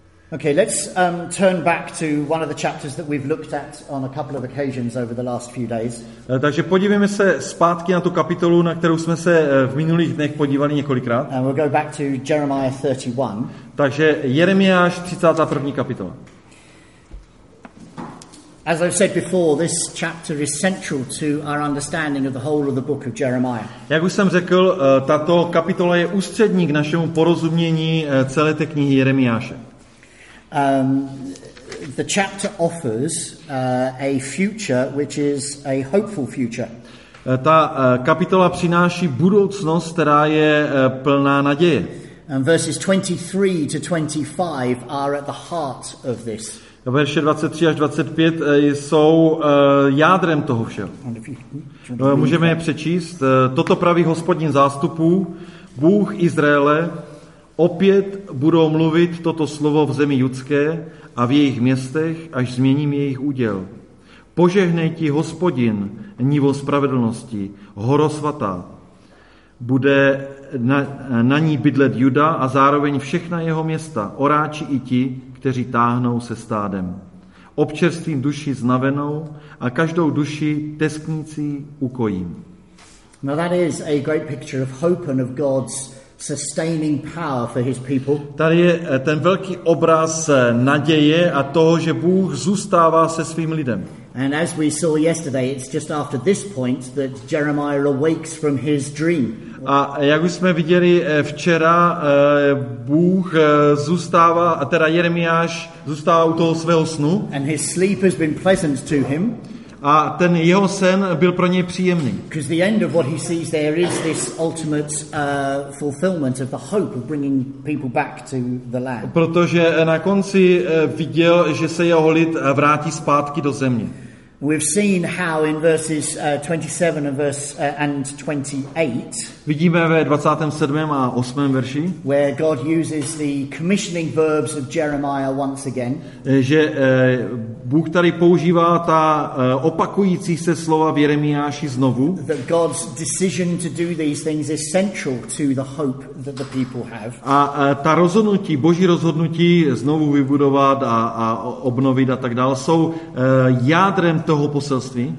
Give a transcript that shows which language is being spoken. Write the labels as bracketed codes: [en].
[en] Okay, let's turn back to one of the chapters that we've looked at on a couple of occasions over the last few days. [cs] Takže podívejme se zpátky na tu kapitolu, na kterou jsme se v minulých dnech podívali několikrát. [en] And we'll go back to Jeremiah 31. [cs] Takže Jeremiáš 31. kapitola. [en] As I've said before, this chapter is central to our understanding of the whole of the book of Jeremiah. [cs] Jak už jsem řekl, tato kapitola je ústřední k našemu porozumění celé té knihy Jeremiáše. [en] The chapter offers a future which is a hopeful future. [cs] Ta kapitola přináší budoucnost, která je plná naděje. [en] And verses 23 to 25 are at the heart of this. [cs] Verše 23 až 25 jsou jádrem toho všeho. Můžeme je přečíst. Toto praví Hospodin zástupů, Bůh Izraele, opět budou mluvit toto slovo v zemi judské a v jejich městech, až změním jejich úděl. Požehnej ti Hospodin, nivo spravedlnosti, horo svatá. Bude na ní bydlet Juda a zároveň všechna jeho města, oráči i ti, kteří táhnou se stádem. Občerstvím duši znavenou a každou duši tesknící ukojím. [en] Now that is a great picture of hope and of God's sustaining power for his people. [cs] Tady je ten velký obraz naděje a toho, že Bůh zůstává se svým lidem. [en] And as we saw yesterday, it's just after this point that Jeremiah awakes from his dream. [cs] A jak už jsme viděli včera, Bůh zůstává, a teda Jeremiáš zůstává u toho svého snu. [en] And his sleep has been pleasant to him. [cs] A ten jeho sen byl pro něj příjemný. [en] Because the end of what he sees there is this ultimate fulfillment of the hope of bringing people back to the land. [cs] Protože na konci viděl, že se jeho lid vrátí zpátky do země. [en] We've seen how in verses 27 and verse 28. [cs] Vidíme ve 27. a 8. verši, [en] where God uses the commissioning verbs of Jeremiah once again. [cs] Že Bůh tady používá ta opakující se slova v Jeremiáši znovu. [en] That God's decision to do these things is central to the hope that the people have. [cs] A ta rozhodnutí, Boží rozhodnutí znovu vybudovat a obnovit a tak dále, jsou jádrem toho poselství.